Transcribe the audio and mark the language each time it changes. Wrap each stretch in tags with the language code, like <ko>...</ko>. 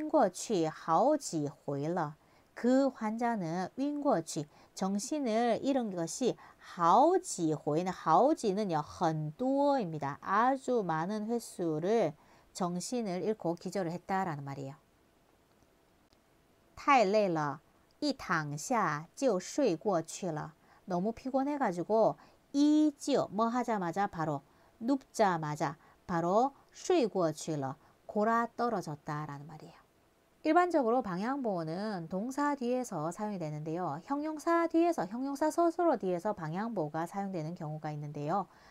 <zh>那个病人晕过去好几回了.</zh> <ko>그 환자는 晕过去, 정신을 잃은 것이 好几回, 好几는요, 很多입니다. 아주 많은 횟수를 정신을 잃고 기절을 했다라는 말이에요.</ko> <zh>太累了,一躺下就睡过去了.</zh> <ko>너무 피곤해가지고, 이就, 뭐 하자마자 바로, 눕자마자 바로 睡过去了, 골아떨어졌다라는 말이에요. 일반적으로 방향보호는 동사 뒤에서 사용이 되는데요. 형용사 뒤에서, 형용사 서술어 뒤에서 방향보호가 사용되는 경우가 있는데요.</ko>